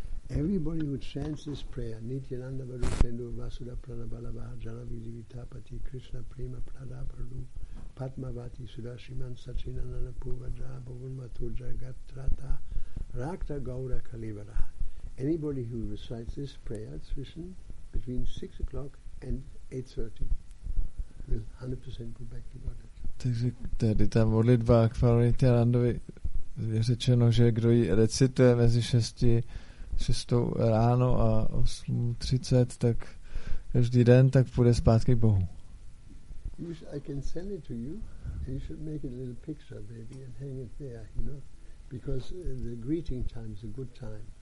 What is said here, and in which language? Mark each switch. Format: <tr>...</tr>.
<en>Everybody who chants this prayer,</en> <sa>Nityananda Vadu Chandu Vasudha Pranavalabha Janavidhi Vitapati Krishna Prima Pradaparu Padmavati Sudashiman Sachinanana Purvajaya Bhavunmato Jagatrata Rakta Gaura Kalivara.</sa> <en>Anybody who recites this prayer, it's written between 6 o'clock and 8:30 will 100% go back to Godhead.</en> <cs>Takže tady ta modlitba k Pánu Nityanandovi je řečeno, že kdo ji recituje mezi 6 ráno a 8:30, tak každý den, tak půjde zpátky k Bohu.</cs> <en>I can send it to you and you should make it a little picture maybe and hang it there, you know, because the greeting time is a good time.</en>